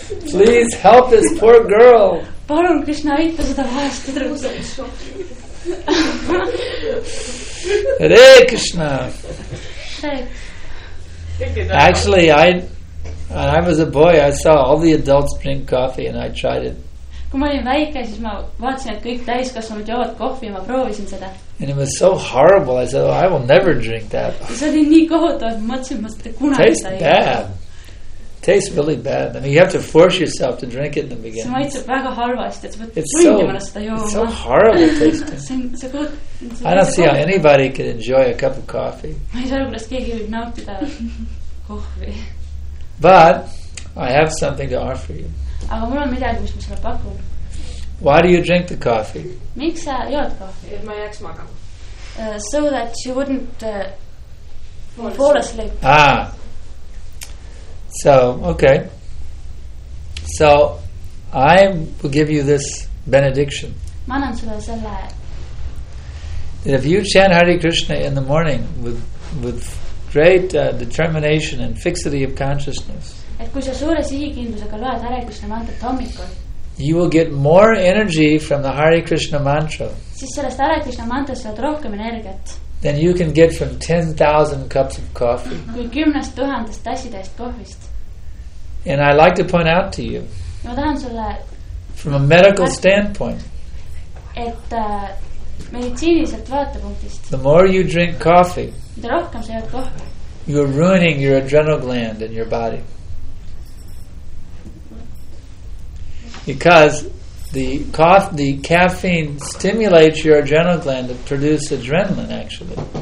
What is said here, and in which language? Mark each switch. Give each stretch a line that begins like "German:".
English: Please help this poor girl.
Estonian: Palun, Krishna, aita seda vahest tüdrukut.
Sanskrit: Hare Krishna.
English: Actually, I was a boy, I saw all the adults drink coffee and I tried it.
Estonian: Kui ma olin väike, siis ma vaatasin, et kõik täiskasvanud joovad kohvi ja ma proovisin seda.
English: And it was so horrible, I said, oh, I will never drink that.
Estonian: See oli nii kohutav, ma mõtlesin, et ma seda kunagi
English: sain. Tastes bad. Tastes really bad. I mean, you have to force yourself to drink it in the beginning.
Estonian: See maitseb väga halvasti, et sa võtad kunnimana seda jooma.
English: It's so horrible tasting.
Estonian: See
English: I don't see how anybody can enjoy a cup of coffee.
Estonian: Ma ei saa aru, kuidas keegi võib nautida kohvi.
English: But I have something to offer you.
Estonian: Aga mul on midagi, mis ma selle pakun.
English: Why do you drink the coffee?
Estonian: Miks sa jood kohvi? Et ma jääks magama.
English: So that you wouldn't fall asleep. Ah. So, okay. So, I will give you this benediction.
Estonian: Ma annan sulle selle.
English: That if you chant Hare Krishna in the morning with great determination and fixity of consciousness.
Estonian: Et kui sa suure sihikindlusega loed Hare Krishna mantrat hommikul.
English: You will get more energy from the Hare Krishna mantra.
Estonian: Siis sellest Hare Krishna mantrast saad rohkem energiat.
English: Then you can get from 10,000 cups of coffee.
Estonian: Kui 10,000 tassidest kohvist.
English: And I like to point out to you.
Estonian: Ma tahan sulle
English: from a medical standpoint.
Estonian: Et meditsiiniliselt vaatepunktist.
English: The more you drink coffee.
Estonian: Rohkem sa jood kohvi.
English: You're ruining your adrenal gland in your body. Because the caffeine stimulates your adrenal gland to produce adrenaline, actually.